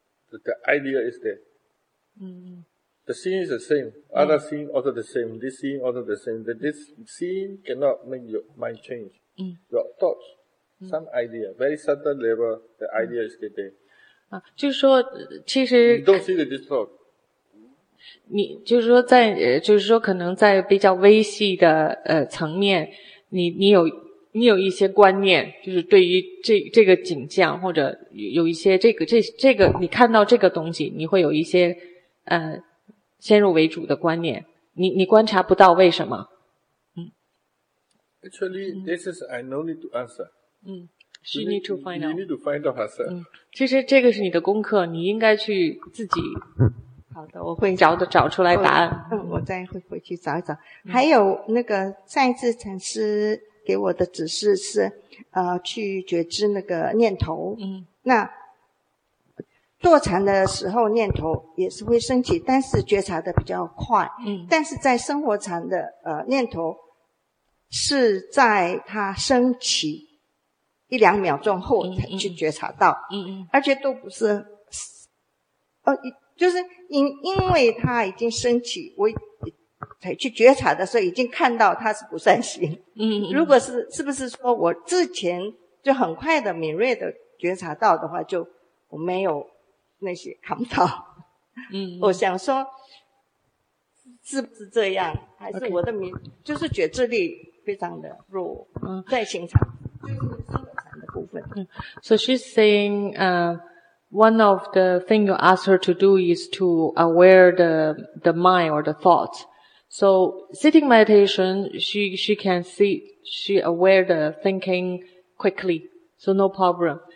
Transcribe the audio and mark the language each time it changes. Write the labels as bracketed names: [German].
[English] The idea is there. The scene is the same. Other scene also the same. This scene also the same. But this scene cannot make your mind change. Your thoughts, some idea, very subtle level, the idea is there. [Chinese] 就是说其实 [English] You don't see this thought. [Chinese] 你就是说在就是说可能在比较微细的层面，你有一些观念，就是对于这个景象，或者有一些这个你看到这个东西，你会有一些先入为主的观念，你观察不到为什么。 [English] Actually, this is I no need to answer. She need to find out. You need to find out herself. [Chinese] 其实这个是你的功课，你应该去自己。好的，我会找出来答案。我再回去找一找。还有那个上一次禅师给我的指示是去觉知那个念头。那坐禅的时候念头也是会升起，但是觉察的比较快。但是在生活禅的念头是在它升起一两秒钟后才去觉察到。而且都不是就是因为它已经升起，我才去觉察的时候已经看到它是不善心。如果是不是说我之前就很快的敏锐的觉察到的话，就我没有那些看不到。我想说是不是这样，还是我的敏、 [English] okay. [Chinese] 就是觉知力非常的弱。在行禅就是生活禅的部分。 [English] So she's saying, One of the things you ask her to do is to aware the mind or the thoughts. So sitting meditation, she can see, she aware the thinking quickly. So no problem.